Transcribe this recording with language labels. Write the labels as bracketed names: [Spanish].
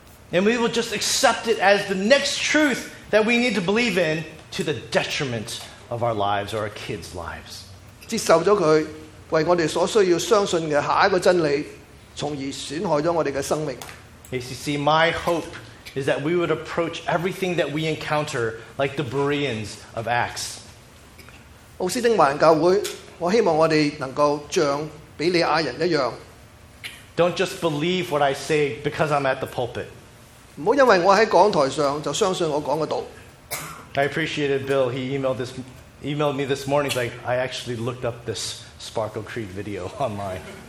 [English] And we will just accept it as the next truth that we need to believe in to the detriment of our lives or our kids' lives. [Cantonese] 接受咗佢，为我哋所需要相信嘅下一个真理，从而损害咗我哋嘅生命。 [English] ACC, my hope is that we would approach everything that we encounter like the Bereans of Acts. [Cantonese] 奥斯丁华人教会，我希望我哋能够像比利亚人一样。 [English] Don't just believe what I say because I'm at the pulpit. [Cantonese] 唔好因为我喺讲台上就相信我讲嘅道。 [English] I appreciated Bill. He emailed this. Emailed me this morning, like, I actually looked up this Sparkle Creed video online.